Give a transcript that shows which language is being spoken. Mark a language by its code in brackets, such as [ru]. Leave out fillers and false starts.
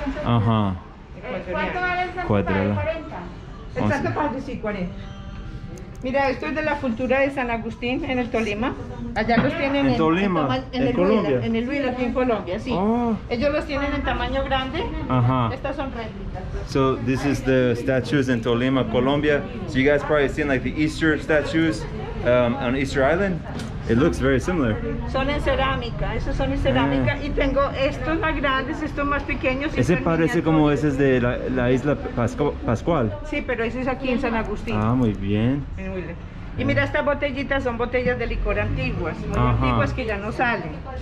[es] Ajá. ¿Cuánto vale el Santo Padre? 40. El Santo Padre, sí, 40. Mira, esto es de la cultura de San Agustín en el Tolima. Allá los tienen en Tolima, en el Colombia. Huila, en el Huila, aquí en Colombia, sí. Oh. Ellos los tienen en tamaño grande. Ajá. Estas son réplicas. [en] So, this is the statues in Tolima, Colombia. So, you guys probably seen like the Easter statues on Easter Island. It looks very similar. [es] Son en cerámica, esos son en cerámica. Y tengo estos más grandes, estos más pequeños. Ese parece como ese es de la isla Pascual. Sí, pero ese es aquí en San Agustín. Ah, muy bien. Y mira, estas botellitas son botellas de licor antiguas, muy antiguas que ya no salen.